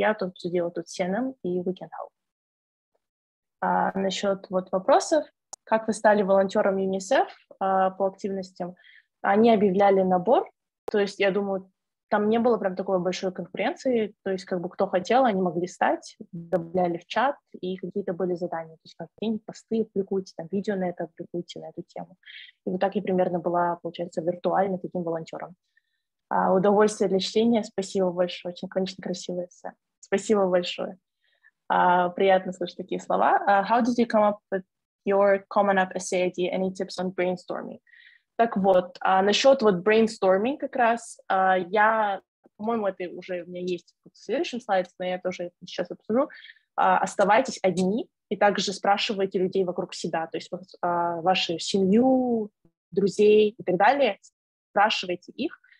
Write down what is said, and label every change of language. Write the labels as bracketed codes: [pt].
[ru] Я тут обсудила тут с Сеном и Weekend Out. А насчет вот вопросов, как вы стали волонтером ЮНИСЕФ по активностям, они объявляли набор, то есть, я думаю, там не было прям такой большой конкуренции, то есть, как бы, кто хотел, они могли стать, добавляли в чат, и какие-то были задания, то есть, как какие-нибудь посты публикуйте, там, видео на это публикуйте, на эту тему. И вот так я примерно была, получается, виртуально таким волонтером. А удовольствие для чтения, спасибо большое, очень, конечно, красивое эссе. Спасибо большое. Приятно слышать такие слова. [en] How did you come up with your common up essay idea? Any tips on brainstorming? [ru] Так вот, насчет вот brainstorming как раз, я, по-моему, это уже у меня есть в следующем слайде, но я тоже это сейчас обсужу. Оставайтесь одни и также спрашивайте людей вокруг себя, то есть вашу семью, друзей и так далее, спрашивайте их.